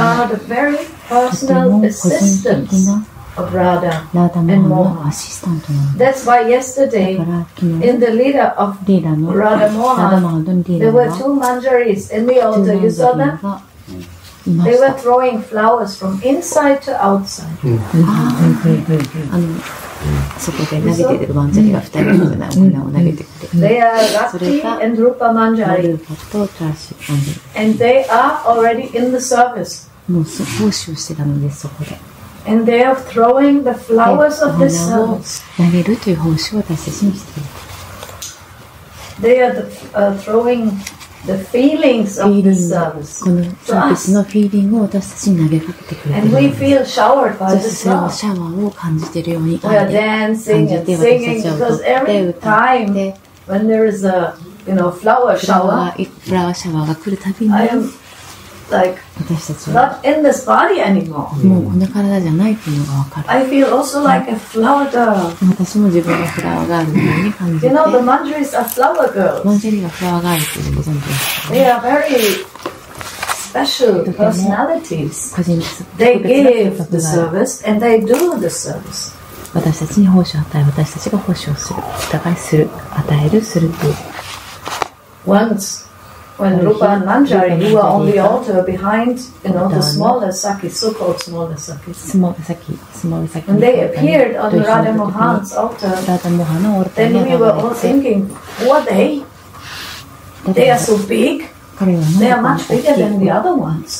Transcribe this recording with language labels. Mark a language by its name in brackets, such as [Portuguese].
[English] They are the very personal assistants of Radha and Mohan. That's why yesterday, in the leader of Radha Mohan, there were two manjaris in the altar. You saw them? They were throwing flowers from inside to outside. [Japanese] そこで投げているマンジャリが2人のようなお花を投げてくれて、それがルーパマンジャリ。ルーパとチャーシュマンジャリ。 [English] And they are already in the service. [Japanese] もう奉仕をしてたのです、そこで。 [English] And they are throwing the flowers of the service. [Japanese] 投げるという奉仕を私たちにしている。 [English] They are throwing. The feelings of the service. [Japanese] このサービスのフィーリングを私たちに投げかけてくれている [English] 。And we feel showered by the love. [Japanese] そしてシャワーを感じているように感じて、私たちは踊って歌って。 [English] When there is a, you know, flower shower, [Japanese] フラワーシャワーが来るたびに、 [English] like, [Japanese] 私たちは [English] not in this body anymore. [Japanese] もうこの体じゃないというのがわかる。 [English] I feel also like a flower girl. [Japanese] 私も自分がフラワーガールのように感じて。 [English] You know, the Manjaris are flower girls. [Japanese] マンジェリーがフラワーガールというのをご存知ですか? [English] They are very special personalities. [Japanese] 個人的な。 [English] They give the service and they do the service. [Japanese] 私たちに奉仕を与え、私たちが奉仕をする、お互いする、与える、するという。 [English] Once, When Rupa and Manjari, you are on the altar behind, you know, the smaller sakis, so-called smaller sakis. When they appeared on Radha Mohan's altar, then we were all thinking, who are they? They are so big. They are much bigger than the other ones.